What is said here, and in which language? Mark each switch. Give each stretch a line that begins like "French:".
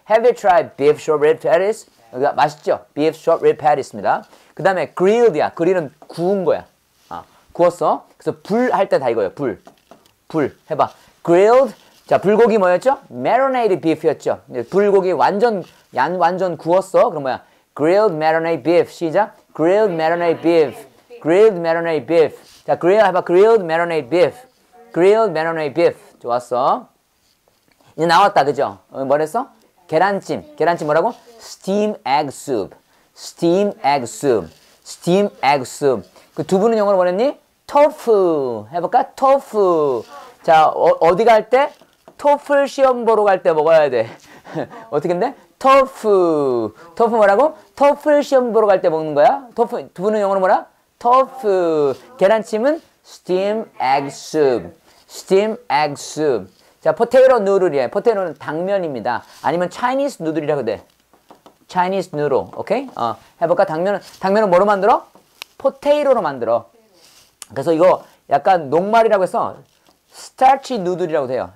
English: Have you tried beef short rib patties?
Korean: 여기가 맛있죠?
English: Beef short rib patties입니다.
Korean: 그 다음에 grilled야. Grill은 구운 거야. 아, 구웠어. 그래서 불 할 때 다 이거예요. 불. 불. 해봐. Grilled. 자, 불고기 뭐였죠?
English: Marinated beef였죠.
Korean: 불고기 완전, 양 완전 구웠어. 그럼 뭐야?
English: Grilled marinated beef.
Korean: 시작.
English: Grilled marinated beef. Grilled marinated beef.
Korean: 자, grill 해봐.
English: Grilled marinated beef. Grilled marinated beef.
Korean: 좋았어. 이제 나왔다. 그죠? 뭐랬어? 계란찜. 계란찜 뭐라고?
English: Steam egg soup. Steam egg soup. Steam egg soup.
Korean: 그 두부는 영어로 뭐랬니? Tofu. 해볼까? Tofu. 자, 어디 갈 때? 토플 시험 보러 갈 때 먹어야 돼. 어떻게 근데? 토프. 토프 뭐라고? 토플 시험 보러 갈 때 먹는 거야. 토프, 두부는 영어로 뭐라? 토프. 계란찜은
English: steam egg soup. steam egg soup. 자, 포테이토 누들이야.
Korean: 포테이토는 당면입니다. 아니면 Chinese 누들이라고 돼. Chinese 누들. 오케이? 해볼까? 당면은 뭐로 만들어? 포테이토로 만들어. 그래서 이거 약간 녹말이라고 해서 스타치 누들이라고 돼요.